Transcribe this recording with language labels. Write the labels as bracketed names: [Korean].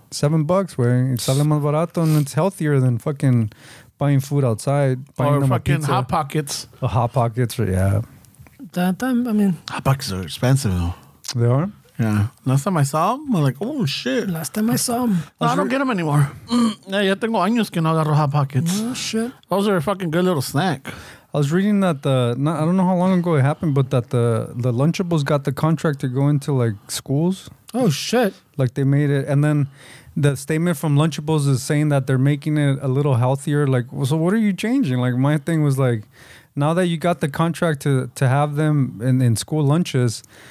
[English] $7, where it's [Spanish] sale más barato [English] and it's healthier than fucking buying food outside. Buying or fucking Hot Pockets. Or Hot Pockets, yeah. Hot Pockets are expensive, though. They are? Yeah. Last time I saw them, I'm like, oh, shit. Last time I saw them. No, I don't get them anymore. Yeah, [Spanish] ya tengo años que no agarro Hot Pockets. [English] Oh, shit. Those are a fucking good little snack. I was reading that, I don't know how long ago it happened, but that the Lunchables got the contract to go into, like, schools. Oh, shit. Like, they made it. And then the statement from Lunchables is saying that they're making it a little healthier. Like, well, so what are you changing? Like, my thing was, like, now that you got the contract to have them in school lunches...